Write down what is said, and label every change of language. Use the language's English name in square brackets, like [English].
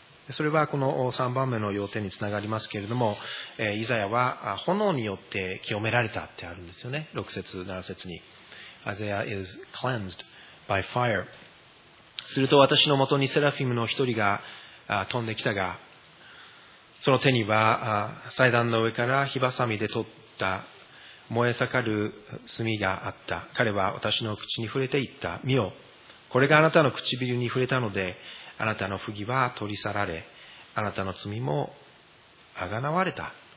[Japanese] それはこの3番目の要点につながりますけれども、イザヤは炎によって清められたってあるんですよね。 6節7節に [English] Isaiah is cleansed by fire。 [Japanese] すると私のもとにセラフィムの一人が飛んできたが、その手には祭壇の上から火ばさみで取った燃え盛る炭があった。彼は私の口に触れていった、見よ、これがあなたの唇に触れたので、あなたの不義は取り去られ、あなたの罪もあがなわれた。